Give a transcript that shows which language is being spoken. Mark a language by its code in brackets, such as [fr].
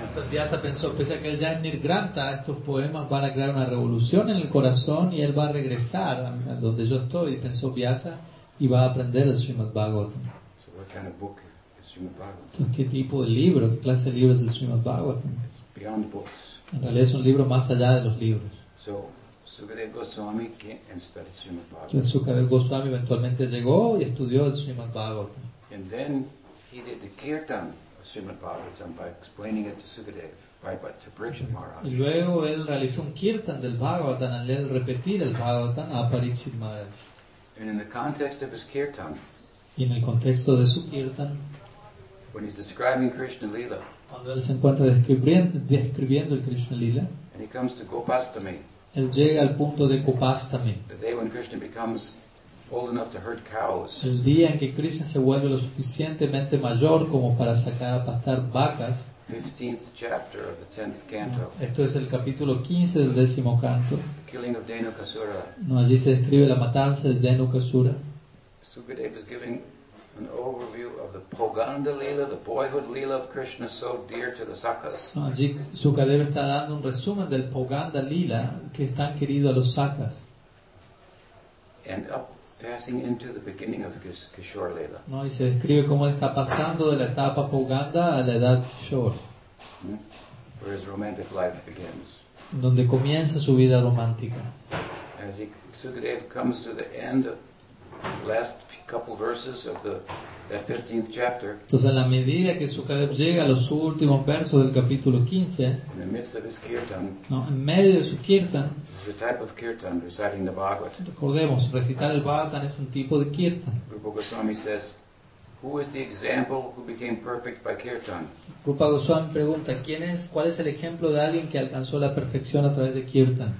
[es] Vyasa pensó, pese a que él ya es nir granta, estos poemas van a crear una revolución en el corazón y él va a regresar a donde yo estoy, y pensó Vyasa, y va a aprender el Srimad Bhagavatam. [en] So what kind of book is Srimad Bhagavatam? [es] Entonces, ¿qué tipo de libro, qué clase de libro es el Srimad Bhagavatam? [en] It's beyond books. [es] En realidad es un libro más allá de los libros. [en] So Sukadeva Goswami came and studied Srimad Bhagavatam. [es] Entonces Sukadeva Goswami eventualmente llegó y estudió el Srimad Bhagavatam. [en] And then he did the kirtan of Srimad Bhagavatam by explaining it to Sukadeva, by to Parikshit Maharaj. [es] Y luego él realizó un kirtan del Bhagavatam al leer repetir el Bhagavatam a Parikshit Maharaj. [en] And in the context of his kirtan, [es] y en el contexto de su kirtan, [en] when he's describing Krishna Lila, [es] cuando él se encuentra describiendo el Krishna Lila, [en] and he comes to Gopastami. [es] Él llega al punto de Gopastami. [en] The day when Krishna becomes old enough to herd cows. [es] El día en que Krishna se vuelve lo suficientemente mayor como para sacar a pastar vacas. [en] 15th chapter of the 10th canto. [es] Esto es el capítulo 15 del décimo canto. [en] The killing of Denukasura. [es] No, allí se describe la matanza de Denukasura. [en] Sukadeva is giving an overview of the Poganda Lila, the boyhood Lila of Krishna, so dear to the Sakas. [es] No, allí Sukadeva está dando un resumen del Poganda Lila que es tan querido a los Sakas. [en] And up, passing into the beginning of Kishore Lila. [es] No, y se describe cómo está pasando de la etapa Poganda a la edad Kishore. [en] Where his romantic life begins. [es] Donde comienza su vida romántica. [en] As Sukadeva comes to the end of last couple verses of the that 15th chapter. [es] Entonces, en la medida que Sukadev llega a los últimos versos del capítulo 15, [en] in the midst of his kirtan, [es] no, en medio de su kirtan, [en] this is a type of kirtan, reciting the Bhagavat. [es] Recordemos, recitar el Bhagavatam es un tipo de kirtan. [en] Rupa Goswami says, who is the example who became perfect by kirtan? [es] Rupa Goswami pregunta, ¿quién es, cuál es el ejemplo de alguien que alcanzó la perfección a través de kirtan?